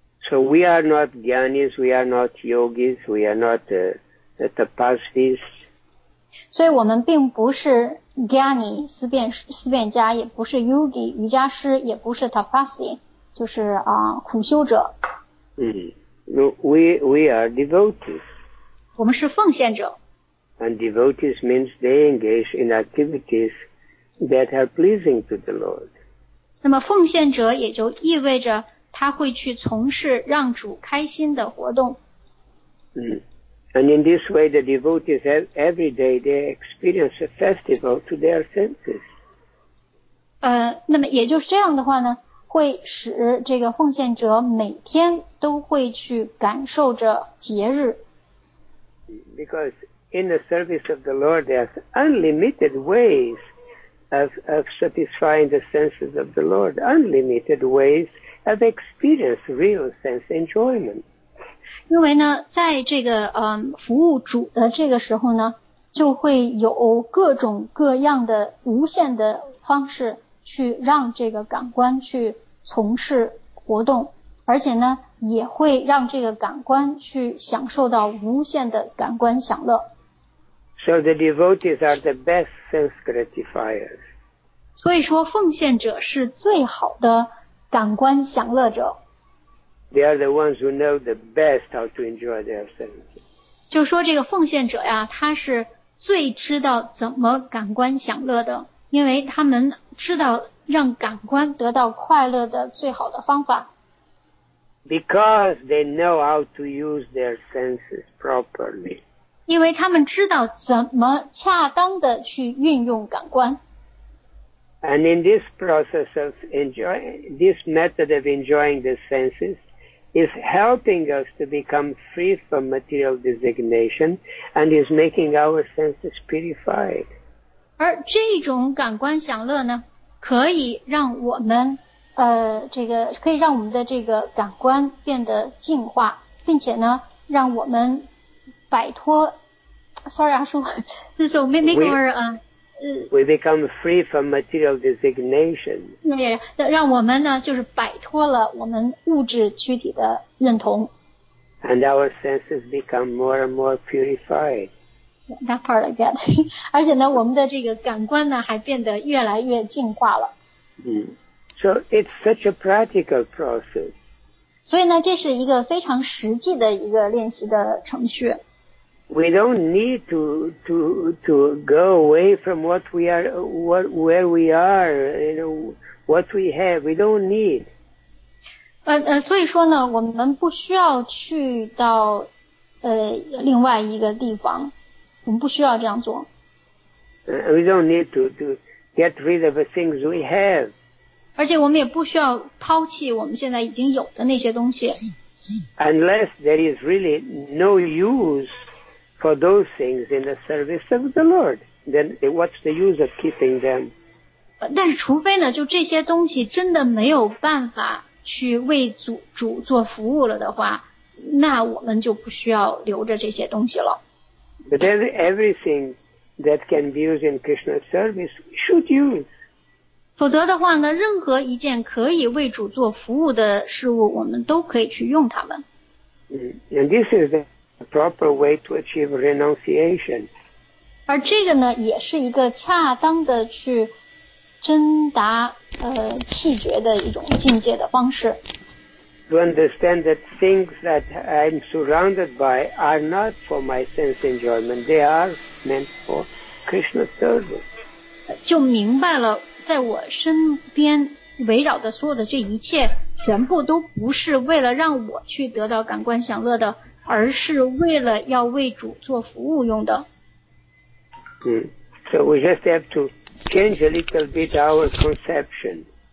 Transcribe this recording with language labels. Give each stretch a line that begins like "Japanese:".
English: So we are not gyanis, we are not yogis, we are not tapasvis.
Chinese: 所以我们并不是 gyani, 思辨家，也不是 yogi, 瑜伽师，也不是 tapasvi, 就是苦修者。
English: We are devotees.
Chinese: 我们是奉献者。
English: And devotees means they engage in activities that are pleasing to the Lord.
Chinese: 那么奉献者也就意味着他会去从事让主开心的活动。
English: And in this way, the devotees every day they experience a festival to their senses.
Chinese: 那么也就是这样的话呢，会使这个奉献者每天都会去感受着节日。
English: Because in the service of the Lord, there's unlimited ways of satisfying the senses of the Lord. Unlimited ways. Have experienced real sense enjoyment.
Chinese: 因为呢，在这个服务主的这个时候呢，就会有各种各样的无限的方式去让这个感官去从事活动，而且呢，也会让这个感官去享受到无限的感官享乐。
English: So the devotees are the best sense gratifiers.
Chinese: 所以说，奉献者是最好的。感官享乐者
English: They are the ones who know the best how to enjoy their senses.
Chinese: 就说这个奉献者呀，他是最知道怎么感官享乐的，因为他们知道让感官得到快乐的最好的方法。
English: Because they know how to use their senses properly.
Chinese: 因为他们知道怎么恰当的去运用感官。
English: And in this process of enjoying, this method of enjoying the senses is helping us to become free from material designation and is making our senses purified.
Chinese: 而这种感官享乐呢，可以让我们这个可以让我们的这个感官变得净化，并且呢，让我们摆脱。
English: Sorry,
Chinese: 阿叔，这是
English: make our We become free from material designation.
Chinese: 让我们呢，就是摆脱了我们物质躯体的认同。
English: And our senses become more and more purified. That part again.
Chinese: 而且呢，我们的这个感官呢，还变得越来越净化了。
English: So it's such a practical process.
Chinese: 所以呢，这是一个非常实际的一个练习的程序。
English: We don't need to go away from what we are, where we are, you know, what we have. We don't need.
Chinese: 所以说呢，我们不需要去到另外一个地方，我们不需要这样做。
English: We don't need to get rid of the things we have.
Chinese: 而且我们也不需要抛弃我们现在已经有的那些东西。
English: Unless there is really no use. For those things in the service of the Lord, then what's the use of keeping them?
Chinese: 但是除非呢，就这些东西真的没有办法去为主做服务了的话，那我们就不需要留着这些东西了。
English: But everything that can be used in Krishna's service should use.
Chinese: 否则的话呢，任何一件可以为主做服务的事物，我们都可以去用它们。
English: And this is the A proper way to achieve renunciation.
Chinese: 而这个呢，也是一个恰当的去真达气绝的一种境界的方式。
English: To understand that things that I'm surrounded by are not for my sense enjoyment, they are meant for Krishna's service.
Chinese: 就明白了，在我身边围绕的所有的这一切，全部都不是为了让我去得到感官享乐的。而是为了要为主做服务用的。
English: So we just have to change a little bit our conception.